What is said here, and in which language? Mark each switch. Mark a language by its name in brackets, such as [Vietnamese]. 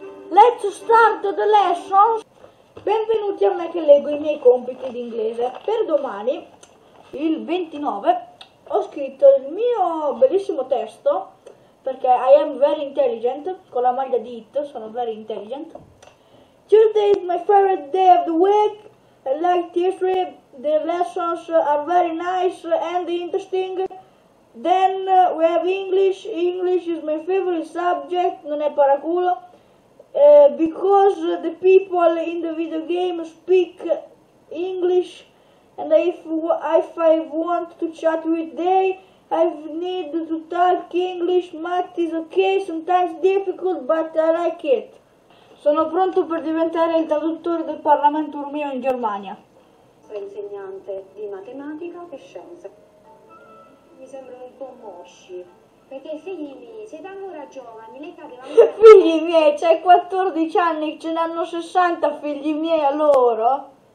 [English] Let's start the lessons! [Italian] Benvenuti a me che leggo i miei compiti di inglese. Per domani, il 29, ho scritto il mio bellissimo testo, perché [English] I am very intelligent, [Italian] con la maglia di It, sono [English] very intelligent. Tuesday is my favorite day of the week. I like history. The lessons are very nice and interesting. Then we have English. English is my favorite subject. [Italian] Non è paraculo. [English] Because the people in the video game speak English. And if I want to chat with them, I need to talk English. Math is okay, sometimes difficult, but I like it. [Italian] Sono pronto per diventare il traduttore del Parlamento Europeo in Germania. Sono insegnante di matematica e scienze. Mi sembrano un po' mosci. Perché figli miei, siete ancora giovani, lei cadeva... Figli miei, c'hai 14 anni, ce ne hanno 60 figli miei a loro.